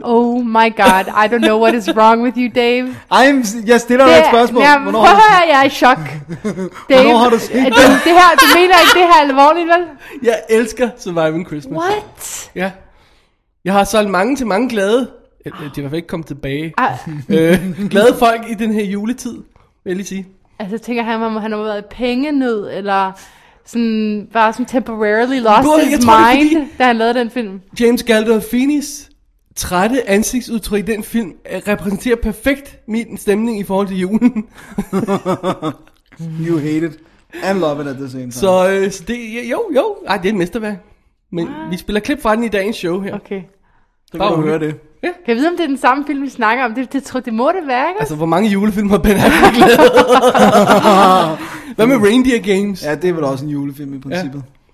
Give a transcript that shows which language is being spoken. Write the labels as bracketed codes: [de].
[en] Oh my god, I don't know what is wrong with you, Dave. [da] Jeg stiller dig et spørgsmål. Jeg er i chok. Dave, hvornår har du set den? Du mener ikke det her alvorligt, vel? Jeg elsker Surviving Christmas. [en] What? [da] Ja. Jeg har solgt mange til mange glade. Det er i hvert fald ikke kommet tilbage. Glade folk i den her juletid, vil jeg lige sige. Altså, tænker han, om han har været i pengenød, eller sådan, bare sådan [en] temporarily lost his mind, [da] da han lavede den film. James Gandolfinis trætte ansigtsudtryk i den film repræsenterer perfekt min stemning i forhold til julen. [en] You hate it and love it at the same time. [da] Så det, jo, ej, det er et mesterværk. Men vi spiller klip fra den i dagens show her. Okay. Så kan du høre det. Ja. Kan jeg vide, om det er den samme film, vi snakker om? Det må det være, ikke? Altså, hvor mange julefilm har Ben Affleck lavet? Hvad med Reindeer Games? Ja, det er vel også en julefilm i princippet. Ja.